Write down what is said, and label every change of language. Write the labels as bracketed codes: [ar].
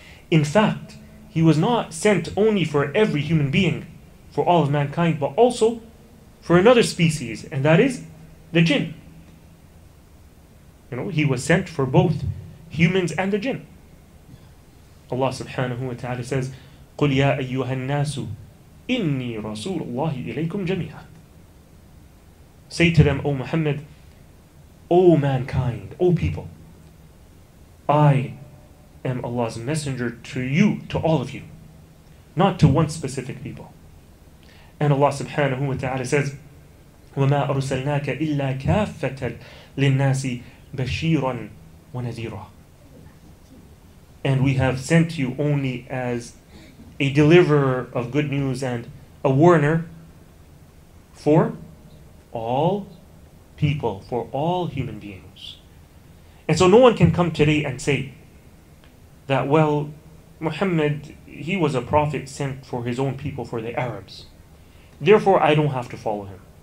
[en] In fact, he was not sent only for every human being, for all of mankind, but also for another species, and that is the jinn. You know, he was sent for both humans and the jinn. Allah subhanahu wa ta'ala says, [ar] قُلْ يَا أَيُّهَا النَّاسُ إِنِّي رَسُولُ اللَّهِ إِلَيْكُمْ جَمِيعًا. [en] Say to them, O Muhammad, O mankind, O people, I am Allah's messenger to you, to all of you, not to one specific people. And Allah subhanahu wa ta'ala says, [ar] وَمَا أَرُسَلْنَاكَ إِلَّا كَافَّةَ لِلنَّاسِ بَشِيرًا وَنَذِيرًا. [en] And we have sent you only as a deliverer of good news and a warner for all people, for all human beings. And so no one can come today and say that, well, Muhammad, he was a prophet sent for his own people, for the Arabs, therefore I don't have to follow him.